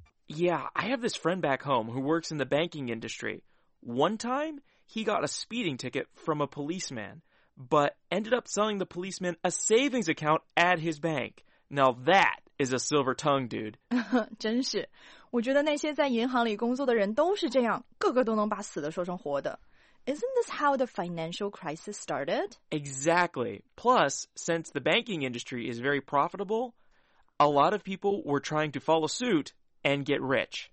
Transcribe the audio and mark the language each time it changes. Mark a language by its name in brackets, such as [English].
[English] Yeah, I have this friend back home who works in the banking industry. One time, he got a speeding ticket from a policeman. But ended up selling the policeman a savings account at his bank. Now that is a silver tongue, dude. [Chinese] 真是，我觉得那些在银行里工作的人都是这样，个个都能把死的说成活的。 [English] Isn't this how the financial crisis started? Exactly. Plus, since the banking industry is very profitable, a lot of people were trying to follow suit and get rich.